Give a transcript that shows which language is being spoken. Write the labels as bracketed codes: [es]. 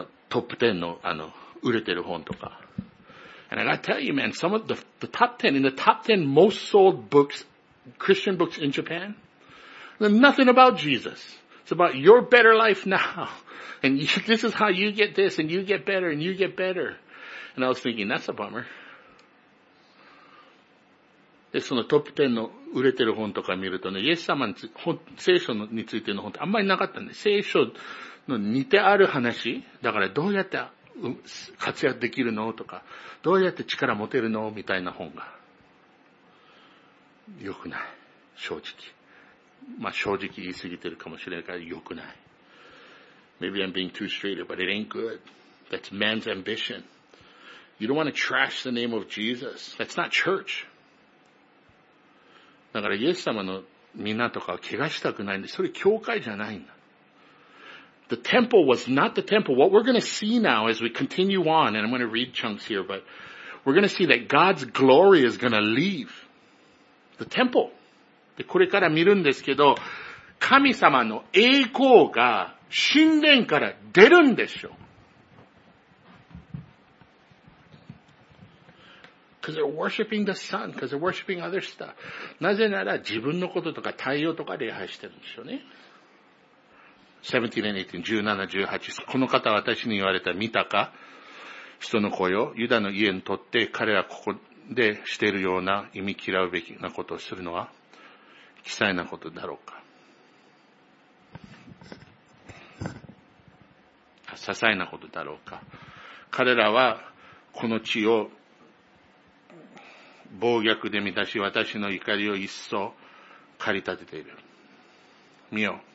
[ja] トップ10の、売れてる本とか。 [en] And I gotta tell you, man, some of the top 10, in the top 10 most sold books, Christian books in Japan, they're nothing about Jesus. It's about your better life now. And this is how you get this, and you get better, and you get better. And I was thinking, that's a bummer. [ja] で、そのトップ10の売れてる本とか見るとね、イエス様について、聖書についての本ってあんまりなかったんで、聖書の似てある話、だからどうやって、活躍できるのとか、どうやって力持てるのみたいな本が。よくない。正直。まあ、正直言いすぎてるかもしれないから、よくない。 [en] Maybe I'm being too straight, but it ain't good. That's man's ambition. You don't want to trash the name of Jesus. That's not church. [ja] だから、イエス様のみんなとかは怪我したくないんで、それ教会じゃないんだ。 [en] The temple was not the temple. What we're going to see now as we continue on, and I'm going to read chunks here, but we're going to see that God's glory is going to leave the temple. [ja] で、これから見るんですけど、神様の栄光が神殿から出るんでしょ。 [en] Because they're worshiping the sun, because they're worshiping other stuff. [ja] なぜなら自分のこととか太陽とか礼拝してるんでしょうね。 [en] 17 and 18. [ja] この方は私に言われた見たか人の声をユダの家にとって彼らここでしているような忌み嫌うべきなことをするのは奇才なことだろうか些細なことだろうか彼らはこの地を暴虐で満たし私の怒りを一層駆り立てている。見よ。